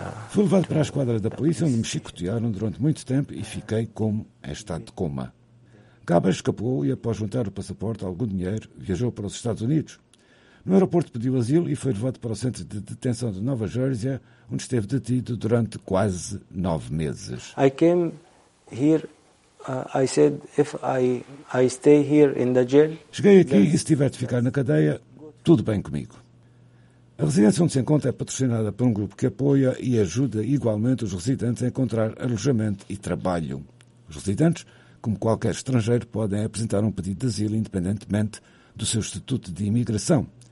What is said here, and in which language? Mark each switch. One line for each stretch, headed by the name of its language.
Portuguese: Fui levado para a esquadra da polícia, onde me chicotearam durante muito tempo e fiquei como em estado de coma. Gabar escapou e, após juntar o passaporte a algum dinheiro, viajou para os Estados Unidos. No aeroporto pediu asilo e foi levado para o centro de detenção de Nova Jersey, onde esteve detido durante quase 9 meses.
English: I came here. I said if I stay here in the jail.
Portuguese: Cheguei aqui e, se tiver de ficar na cadeia, tudo bem comigo. A residência onde se encontra é patrocinada por um grupo que apoia e ajuda igualmente os residentes a encontrar alojamento e trabalho. Os residentes, como qualquer estrangeiro, podem apresentar um pedido de asilo independentemente do seu estatuto de imigração.